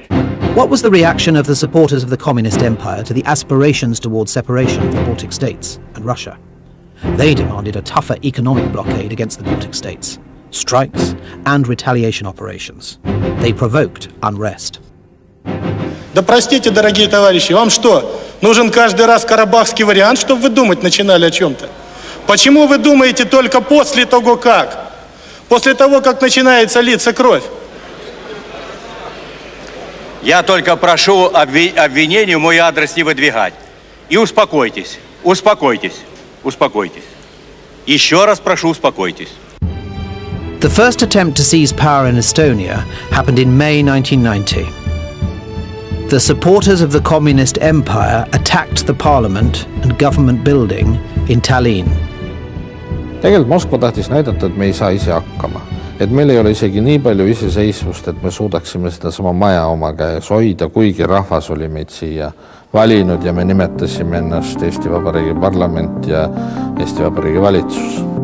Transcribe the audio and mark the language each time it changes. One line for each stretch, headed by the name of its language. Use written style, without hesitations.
English: What was the reaction of the supporters of the communist empire to the aspirations towards separation of the Baltic states and Russia? They demanded a tougher economic blockade against the Baltic states, strikes and retaliation operations. They provoked unrest.
Russian: Да простите, дорогие товарищи, вам что, нужен каждый раз карабахский вариант, чтобы вы думать начинали о чем-то? Почему вы думаете только после того, как? После того, как начинается литься кровь? Я только прошу обвинению мой адрес не выдвигать. И успокойтесь, успокойтесь, успокойтесь. Еще раз прошу, успокойтесь.
English: The first attempt to seize power in Estonia happened in May 1990. The supporters of the communist empire attacked the parliament and government building in Tallinn.
Estonian: Tegelikult Moskva tahtis näidata, et me ei saa ise hakkama. Et meil ei ole isegi nii palju iseseisvust, et me suudaksime seda sama maja oma käes hoida, kuigi rahvas oli meid siia valinud ja me nimetasime ennast Eesti Vabariigi parlament ja Eesti Vabariigi valitsus.